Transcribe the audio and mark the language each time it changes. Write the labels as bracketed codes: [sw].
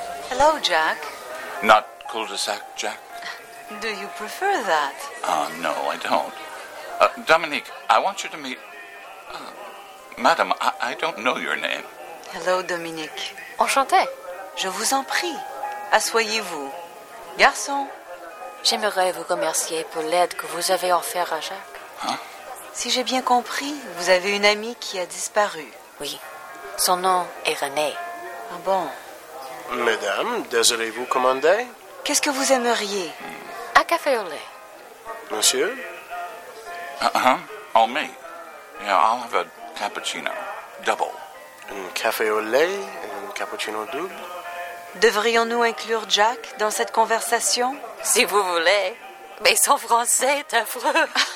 [en] Hello, Jack. Not cul-de-sac, Jack? Do you prefer that? No, I don't. Dominique, I want you to meet... Madam, I don't know your name. [fr] Hello, Dominique. Enchanté. Je vous en prie. Asseyez-vous. Garçon, j'aimerais vous remercier pour l'aide que vous avez offert à Jacques. Hein? Si j'ai bien compris, vous avez une amie qui a disparu. Oui. Son nom est René. Ah bon? Madame, désirez-vous commander? Qu'est-ce que vous aimeriez? Un café au lait. Monsieur? On me. [en] Yeah, I'll have a cappuccino. Double. [fr] Un café au lait? Cappuccino double. Devrions-nous inclure Jack dans cette conversation? Si vous voulez. Mais son français est affreux.